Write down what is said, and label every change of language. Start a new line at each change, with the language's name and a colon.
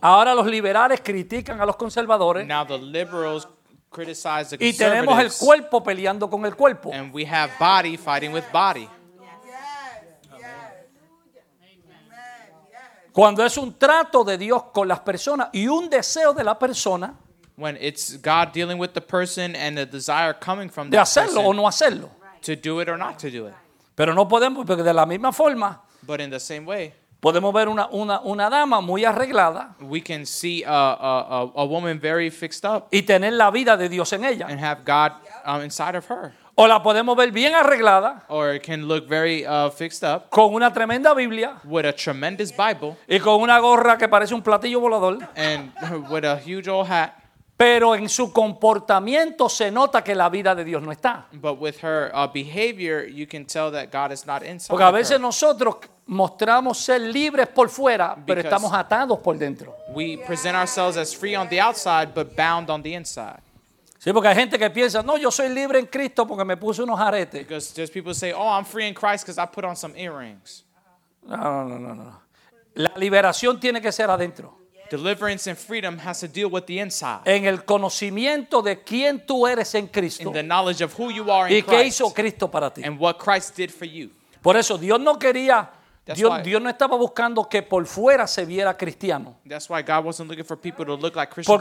Spanish: ahora los liberales critican a los conservadores,
English: now the liberals criticize the conservatives,
Spanish: y tenemos el cuerpo peleando con el cuerpo,
English: and we have body fighting with body.
Spanish: Cuando es un trato de Dios con las personas y un deseo de la persona,
English: when it's God dealing with the person and the desire coming from the person,
Spanish: o no hacerlo,
English: to do it or not to do it.
Spanish: Pero no podemos, porque de la misma forma,
English: but in the same way,
Spanish: podemos ver una dama muy arreglada,
English: we can see a woman very fixed up,
Spanish: y tener la vida de Dios en ella,
English: and have God inside of her.
Spanish: O la podemos ver bien arreglada,
English: or it can look very fixed up,
Spanish: con una tremenda Biblia,
English: with a tremendous Bible,
Spanish: y con una gorra que parece un platillo volador,
English: and with a huge old hat.
Spanish: Pero en su comportamiento se nota que la vida de Dios no está.
English: But with her behavior, you can tell that God is not inside.
Spanish: Porque a veces nosotros mostramos ser libres por fuera, because pero estamos atados por dentro.
English: We present ourselves as free on the outside, but bound on the inside.
Spanish: Sí, porque hay gente que piensa, no, yo soy libre en Cristo porque me puse unos aretes.
English: Because there's people say, oh, I'm free in Christ because I put on some earrings.
Spanish: No. La liberación tiene que ser adentro.
English: Deliverance and freedom has to deal with the inside.
Spanish: En el conocimiento de quién tú eres en Cristo.
English: In the knowledge of who you are in Christ.
Spanish: Y qué hizo Cristo para ti.
English: And what Christ did for you.
Spanish: Por eso Dios no quería, Dios no estaba buscando que por fuera se viera cristiano.
English: That's why God wasn't looking for people to look like Christians.